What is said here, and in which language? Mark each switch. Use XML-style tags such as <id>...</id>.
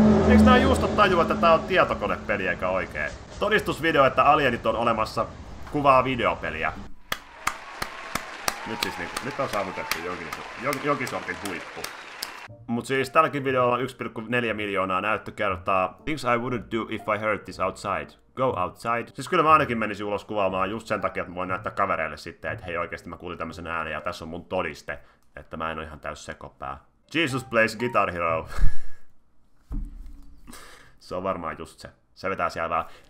<fi>Eiks nää juusto tajua, että tää on tietokonepeli eikä oikee? Todistusvideo, että alienit on olemassa, kuvaa videopeliä. Nyt siis niinku, nyt on saavutettu jonkin sortin huippu. Mut siis tälläkin videolla on 1,4 miljoonaa näyttökertaa.</fi> <en>Things I wouldn't do if I heard this outside. Go outside.</en> <fi>Siis kyllä mä ainakin menisin ulos kuvaamaan just sen takia, että mä voin näyttää kavereille sitten, että hei oikeesti mä kuulin tämmösen äänen ja tässä on mun todiste, että mä en oo ihan täys sekopää.</fi> <en>Jesus plays Guitar Hero.</en> <fi>Se on varmaan just se. Se vetää siellä vaan.</fi>